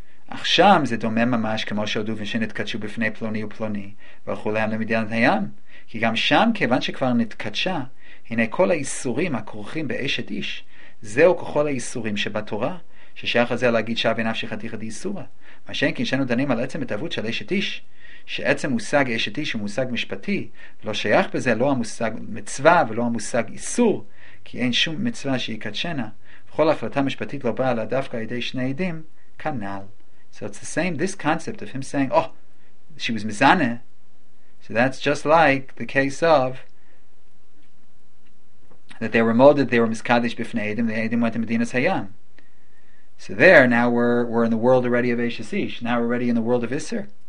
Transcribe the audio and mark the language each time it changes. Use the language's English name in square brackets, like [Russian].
[Hebrew] Achsham ze domem mamash kamo shodu v'shenet katshu b'fnei ploni u'ploni v'alchu lehem l'midyanat hayam ki gam sham kevan shekvar nitkatsha hine kol ha'isurim ha'kurchim b'eshet ish zeo kuchol ha'isurim shebatorah ששייך הזה להגיד שווה נפשי חתיכת איסורה. מה שאין כי שאנו דנים על עצם התאבות של אשת איש, שעצם מושג אשת איש הוא מושג משפטי, לא שייך בזה לא המושג מצווה ולא המושג איסור, כי אין שום מצווה שיקדשנה. וכל החלטה משפטית לא באה לה דווקא ידי שני עדים, כנל. [English] So it's the same, this concept of him saying, oh, she was mizane. So that's just like the case of that they were molded, they were miskadish [Hebrew] בפני עדים, [English] the עדים went to Medina Sayyam. So there, now we're in the world already of Eishes Ish. Now we're already in the world of Isser.